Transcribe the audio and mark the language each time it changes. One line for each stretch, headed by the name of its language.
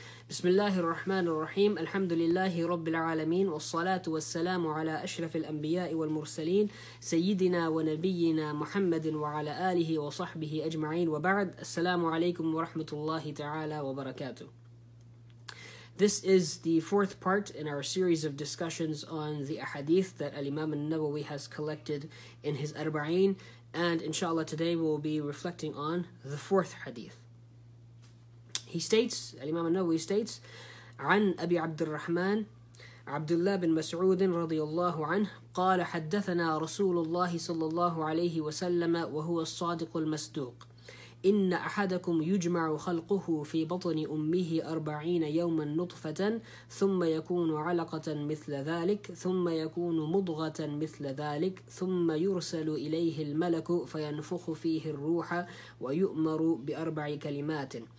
Arabic: بسم الله الرحمن الرحيم الحمد لله رب العالمين والصلاة والسلام على أشرف الأنبياء والمرسلين سيدنا ونبينا محمد وعلى آله وصحبه أجمعين وبعد السلام عليكم ورحمة الله تعالى وبركاته.
English: This is the fourth part in our series of discussions on the Ahadith that Al-Imam al-Nawawi has collected in his Arba'een, and inshallah today we will be reflecting on the fourth Hadith. He states, Al-Imam al-Nawawi states,
Arabic: عن أبي عبد الرحمن عبد الله بن مسعود رضي الله عنه قال حدثنا رسول الله صلى الله عليه وسلم وهو الصادق المصدوق إن أحدكم يجمع خلقه في بطن أمه 40 يوما نطفة ثم يكون علقة مثل ذلك ثم يكون مضغة مثل ذلك ثم يرسل إليه الملك فينفخ فيه الروح ويؤمر بأربع كلمات